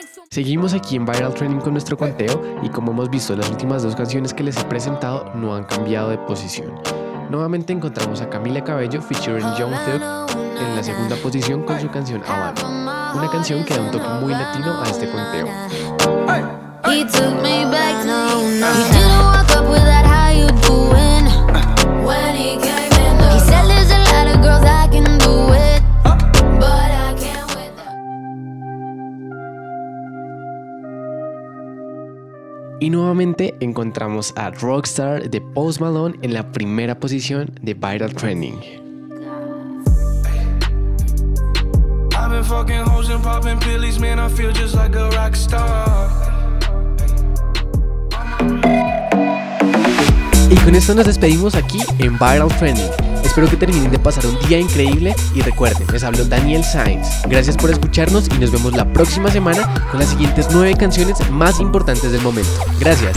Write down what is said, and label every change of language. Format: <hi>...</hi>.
<es>Seguimos aquí en Viral Trending con nuestro conteo y como hemos visto, las últimas dos canciones que les he presentado no han cambiado de posición. Nuevamente encontramos a Camila Cabello featuring Young Thug en la segunda posición con su canción Havana, una canción que da un toque muy latino a este conteo.</es> <en>He took me back to you. No, no, no. He didn't walk up with that, how you doing? When he came in the he room. Said there's a lot of girls I can do it, but I can't with</en> <es>them. Y nuevamente encontramos a Rockstar de Post Malone en la primera posición de Viral Trending.</es> <en>I've been fucking hoes and popping pillies, man, I feel just like a rock star.</en> <es>Y con esto nos despedimos aquí en Viral Trending. Espero que terminen de pasar un día increíble y recuerden, les habló Daniel Sainz. Gracias por escucharnos y nos vemos la próxima semana con las siguientes 9 canciones más importantes del momento. Gracias.</es>